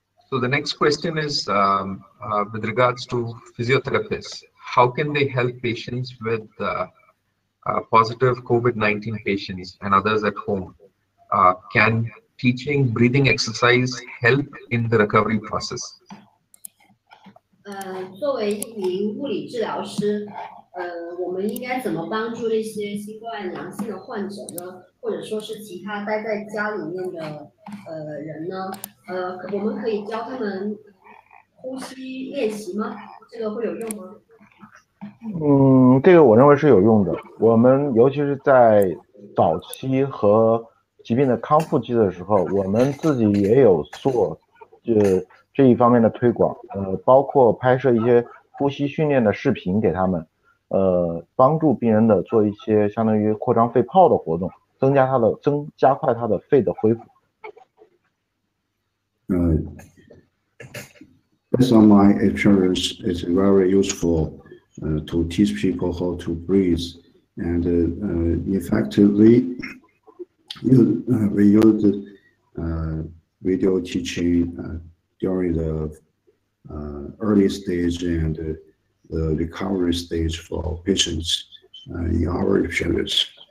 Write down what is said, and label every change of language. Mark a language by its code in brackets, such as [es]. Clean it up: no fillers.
[en] So the next question is with regards to physiotherapists. How can they help patients with positive COVID-19 patients and others at home? Can teaching breathing exercise help in the recovery process? [zh] 作为一名物理治疗师，我们应该怎么帮助一些新冠阳性的患者呢？或者说是其他待在家里面的人呢？我们可以教他们呼吸练习吗？这个会有用吗？这个我认为是有用的。我们尤其是在早期和疾病的康复期的时候，我们自己也有做这一方面的推广，包括拍摄一些呼吸训练的视频给他们，帮助病人的做一些相当于扩张肺泡的活动，增加快他的肺的恢复。 [en] Based on my experience, it's very useful to teach people how to breathe, and effectively we use video teaching during the early stage and the recovery stage for patients in our experience.